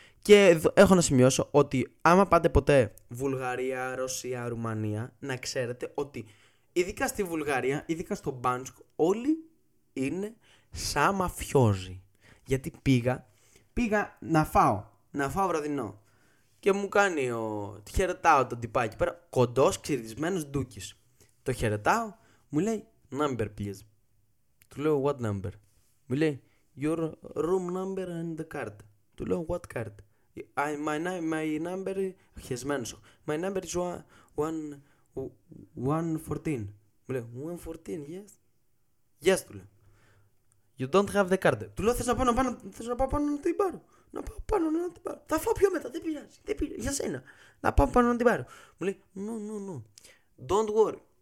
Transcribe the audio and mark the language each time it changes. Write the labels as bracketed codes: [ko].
[el] Και εδώ έχω να σημειώσω ότι άμα πάτε ποτέ Βουλγαρία, Ρωσία, Ρουμανία, να ξέρετε ότι ειδικά στη Βουλγαρία, ειδικά στο Μπάνσκ, όλοι είναι σαν μαφιόζοι. Γιατί πήγα να φάω βραδινό. Και μου κάνει χαιρετάω τον τυπάκι πέρα, κοντός, ξυρισμένος ντούκης. Το χαιρετάω, μου λέει, [en] number please. [el] Του λέω, [en] what number? [el] Μου λέει, [en] your room number and the card. [el] Του λέω, [en] what card? My number, [el] χεσμένος. [en] My number is 114. [el] Μου λέει, [en] 114, yes. Yes, [el] του λέω. [en] You don't have the card. [el] Του λέω, θες να πάω πάνω να την πάρω. Θα φάω πιο μετά, δεν πειράζει. Για σένα. Να πάω πάνω να την πάρω. Μου λέει, [en] no. Don't worry.